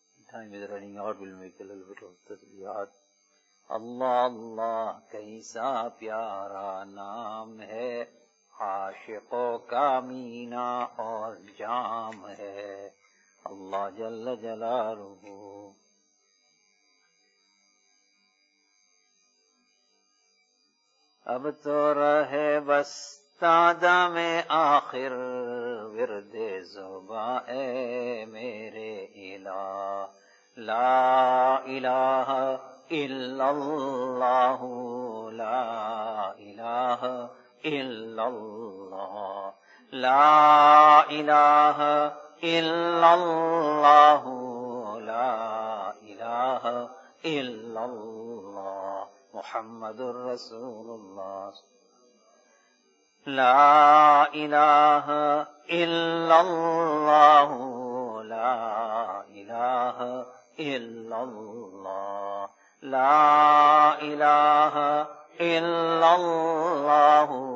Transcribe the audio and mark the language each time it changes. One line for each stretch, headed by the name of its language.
English: Time is running out, we'll make a little bit of tasbihat.
Urdu: Allah Allah kaisa pyara naam hai, عاشقوں کا مینا اور جام ہے. اللہ جل جلالہ اب تو رہے بس تادم آخر, ورد زبان اے میرے الہ.
Arabic: لا الہ الا اللہ, لا الہ إلا الله, لا إله إلا الله, لا إله إلا الله. محمد رسول الله لا إله إلا الله لا إله إلا الله لا إله إلا الله